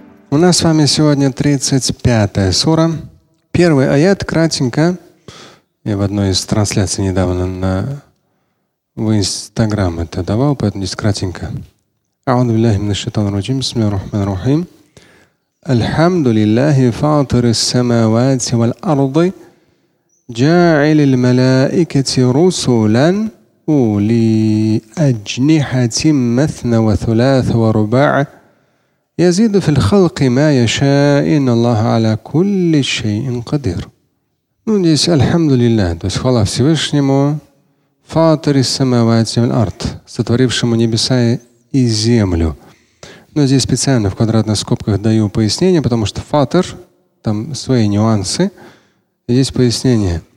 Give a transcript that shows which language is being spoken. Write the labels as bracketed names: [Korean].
[Russian] У нас с вами сегодня 35-я сура. Первый аят, кратенько. Я в одной из трансляций недавно в Инстаграм это давал, поэтому здесь кратенько. [Arabic] أعوذ بالله من الشيطان الرجيم بسم الله الرحمن الرحيم الحمد لله فاطر السماوات والأرض جاعل الملائكة رسلا أولي أجنحة مثنى وثلاث ورباع يزيد في الخلق ما يشاء إن الله على كل شيء قدير. [Russian] Ну здесь [Arabic] الحمد لله, [Russian] то есть хвала Всевышнему, [Arabic] فاطر السماوات والأرض, [Russian] сотворившему небеса и землю. Но здесь специально в квадратных скобках даю пояснение, потому что фатер, там свои нюансы. Здесь пояснение.